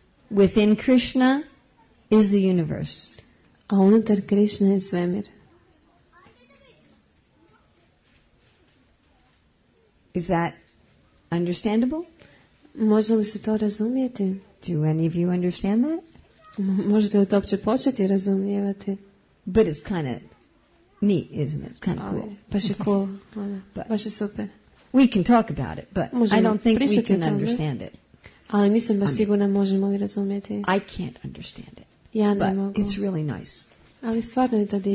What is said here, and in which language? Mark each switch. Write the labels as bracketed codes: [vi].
[en] Within Krishna is the universe. [hr] A unutar Krishna je svemir. [en] Is that understandable? [hr] Može li se to razumjeti? [en] Do any of you understand that? [hr] Možete to uopće početi razumijevati. [en] But it's kind of neat, isn't it? It's kind of cool. [hr] Baš je cool. Baš je super. [en] We can talk about it, but I don't think we can understand it. [hr] Ali nisam baš sigurna možemo li razumijeti. [en] I can't understand it. [hr] Ja ne [en] but [hr] mogu. [en] But it's really nice. [hr] Ali stvarno je to divno.